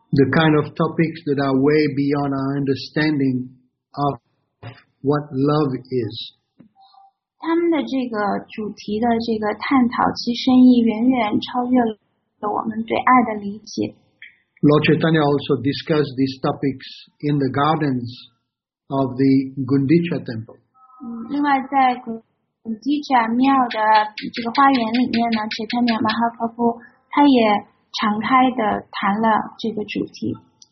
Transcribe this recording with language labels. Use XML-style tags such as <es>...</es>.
<en>The kind of topics that are way beyond our understanding of what love is.</en> <zh>他们的这个主题的这个探讨，其深意远远超越了我们对爱的理解。</zh> <en>Lord Chaitanya also discussed these topics in the gardens of the Gundicha temple.</en> <zh>另外在 Gundicha 庙的这个花园里面呢， Chaitanya Mahaprabhu 他也敞开的谈了这个主题。</zh>